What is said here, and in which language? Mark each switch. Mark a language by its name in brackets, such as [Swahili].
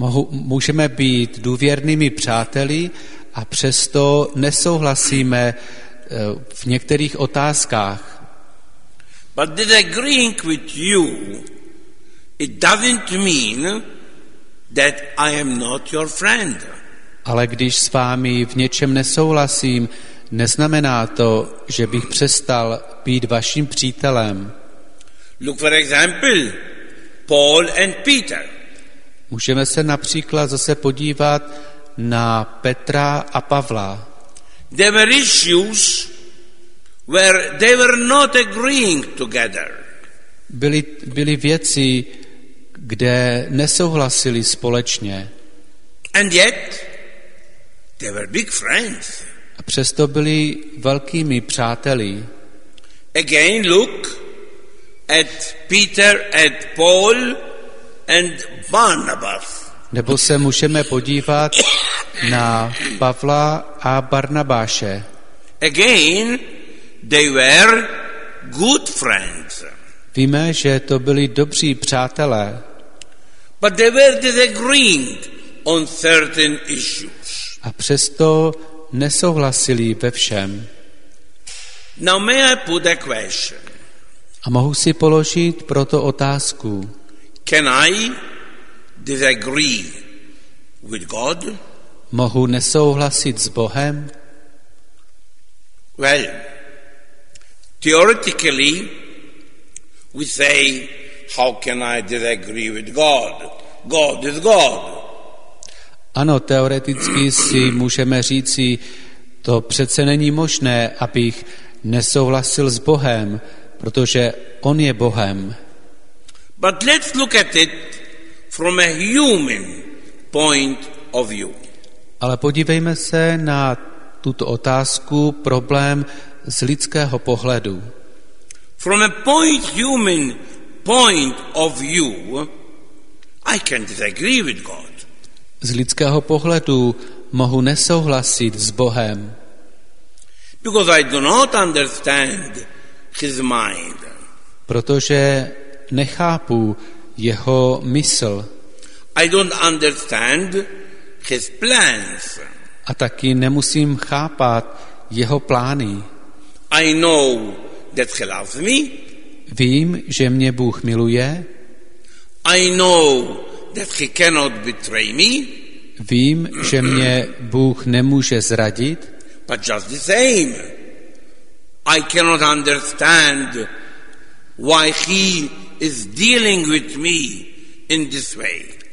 [Czech] Můžeme být důvěrnými přáteli a přesto nesouhlasíme v některých otázkách. [English] But disagreeing with you, it doesn't mean that I am not your friend. [Czech] Ale když s vámi v něčem nesouhlasím, neznamená to, že bych přestal být vaším přítelem. [English] Look for example, Paul and Peter. [Czech] Můžeme se například zase podívat na Petra a Pavla. [English] There were issues where they were not agreeing together. [Czech] Byly věci, kde nesouhlasili společně. [English] And yet they were big friends. [Czech] A přesto byli velkými přáteli. [English] Again look at Peter and Paul and Barnabas. [Czech] Nebo se můžeme podívat na Pavla a Barnabáše. [English] Again they were good friends. [Czech] Víme, že to byli dobří přátelé. [English] But they were disagreeing on certain issues. [Czech] A přesto nesouhlasili ve všem. [English] Now may I put a question? [Czech] A mohu si položit proto otázku. [English] Can I disagree with God? [Czech] Mohu nesouhlasit s Bohem? [English] Well, theoretically we say, how can I disagree with God? God is God. [Czech] Ano, teoreticky si můžeme říci, to přece není možné, abych nesouhlasil s Bohem, protože on je Bohem. [English] But let's look at it from a human point of view. [Czech] Ale podívejme se na tuto otázku, problém z lidského pohledu. [English] From a point human point of view, I can disagree with God. [Czech] Z lidského pohledu mohu nesouhlasit s Bohem. [English] Because I do not understand his mind. [Czech] Protože nechápu jeho mysl. [English] I don't understand his plans. [Czech] A taky nemusím chápat jeho plány. [English] I know that he loves me. [Czech] Vím, že mě Bůh miluje. [English] I know that he cannot betray me. [Czech] Vím, že mě Bůh nemůže zradit. [English] But just the same, I cannot understand why he is dealing with me in this way.